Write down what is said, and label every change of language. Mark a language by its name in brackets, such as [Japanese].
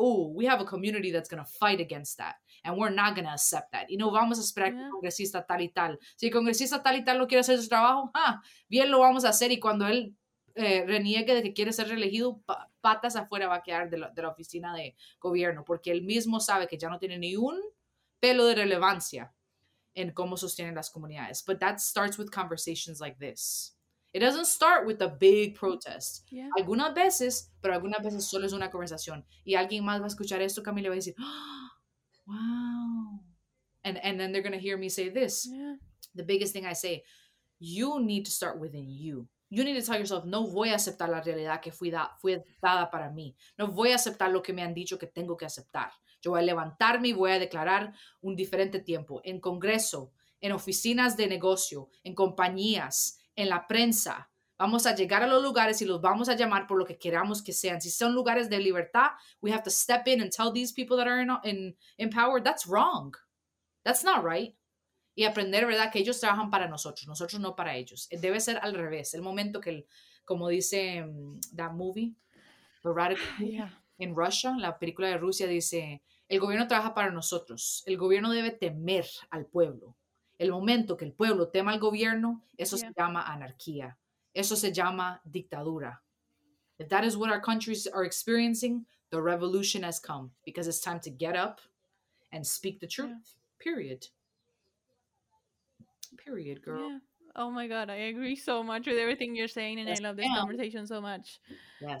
[English] Oh, we have a community that's going to fight against that. And we're not going to accept that. [Spanish] Y no vamos a esperar que el congresista tal y tal. Si el congresista tal y tal no quiere hacer su trabajo, bien lo vamos a hacer. Y cuando él reniegue de que quiere ser reelegido, patas afuera va a quedar de la oficina de gobierno. Porque él mismo sabe que ya no tiene ni un pelo de relevancia en cómo sostienen las comunidades. [English] But that starts with conversations like this. It doesn't start with a big protest. Yeah. [Spanish] Algunas veces, pero algunas veces solo es una conversación. Y alguien más va a escuchar esto, Camila, va a decir, [English] oh, wow. And then they're going to hear me say this. Yeah. The biggest thing I say, you need to start within you. You need to tell yourself, [Spanish] no voy a aceptar la realidad que fui dada para mí. No voy a aceptar lo que me han dicho que tengo que aceptar. Yo voy a levantarme y voy a declarar un diferente tiempo. En Congreso, en oficinas de negocio, en compañías, en la prensa, vamos a llegar a los lugares y los vamos a llamar por lo que queramos que sean. Si son lugares de libertad, [English] we have to step in and tell these people that are in power, that's wrong. That's not right. [Spanish] Y aprender, ¿verdad?, que ellos trabajan para nosotros no para ellos. Debe ser al revés. El momento que como dice [English] that movie, The Radical Movie, yeah. [Spanish] En Rusia, la película de Rusia dice, el gobierno trabaja para nosotros, el gobierno debe temer al pueblo. El momento que el pueblo tema al gobierno, eso [English] yeah. [Spanish] se llama anarquía, eso se llama dictadura. [English] If that is what our countries are experiencing, the revolution has come, because it's time to get up and speak the truth, yeah. period. Period, girl. Yeah. Oh my God, I agree so much with everything you're saying, and yes, I love this conversation so much yes.